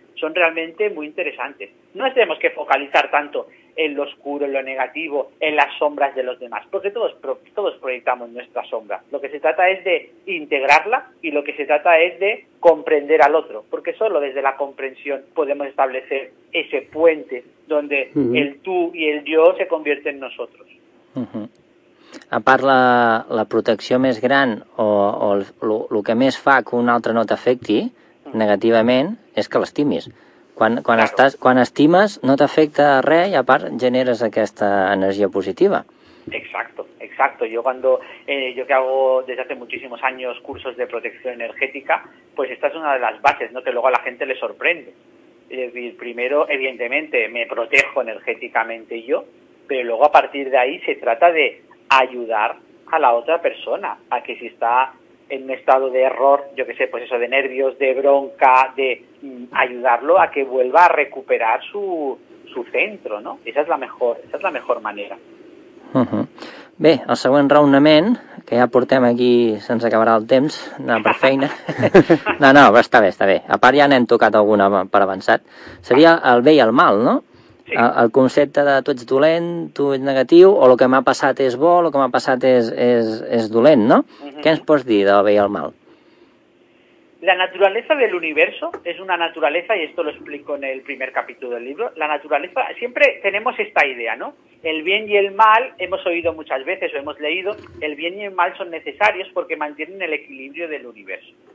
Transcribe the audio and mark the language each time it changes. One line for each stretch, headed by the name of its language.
Spanish: son realmente muy interesantes. No tenemos que focalizar tanto en lo oscuro, en lo negativo, en las sombras de los demás, porque todos proyectamos nuestra sombra. Lo que se trata es de integrarla y lo que se trata es de comprender al otro, porque solo desde la comprensión podemos establecer ese puente donde el tú y el yo se convierten en nosotros.
Catalan: A part la protecció més gran o el que més fa que un altre no t'afecti negativament és que l'estimis. Quan estàs, quan estimes, no t'afecta res i, a part, generes aquesta energia positiva.
Spanish: Exacto, exacto. Yo cuando yo que hago desde hace muchísimos años cursos de protección energética, pues esta es una de las bases, ¿no? Que luego a la gente le sorprende. Primero, evidentemente, me protejo energéticamente yo, pero luego a partir de ahí se trata de ayudar a la otra persona a que si está en un estado de error, yo que sé, pues eso, de nervios, de bronca, de ayudarlo a que vuelva a recuperar su centro, ¿no? Esa es la mejor manera.
Catalan: Bé, el següent raonament, que ja portem aquí, se'ns acabarà el temps, anar per feina. No, però està bé. A part ja n'hem tocat alguna per avançat. Seria el bé i el mal, no? Sí. El concepte de tu ets dolent, tu ets negatiu, o el que m'ha passat és bo, el que m'ha passat és dolent, no? Uh-huh. Què ens pots dir del bé i el mal?
Spanish: La naturaleza del universo es una naturaleza, y esto lo explico en el primer capítulo del libro, la naturaleza, siempre tenemos esta idea, ¿no? El bien y el mal, hemos oído muchas veces o hemos leído, el bien y el mal son necesarios porque mantienen el equilibrio del universo.